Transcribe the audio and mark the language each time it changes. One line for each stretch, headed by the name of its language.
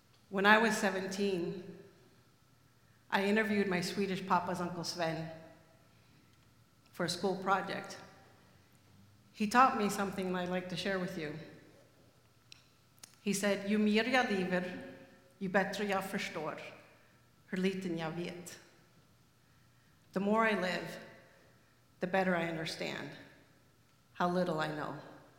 English: When I was 17, I interviewed my Swedish papa's Uncle Sven for a school project. He taught me something I'd like to share with you. He said,
Swedish: "Ju mer jag lever, ju bättre jag förstår.
English: The more I live, the better I understand how little I know."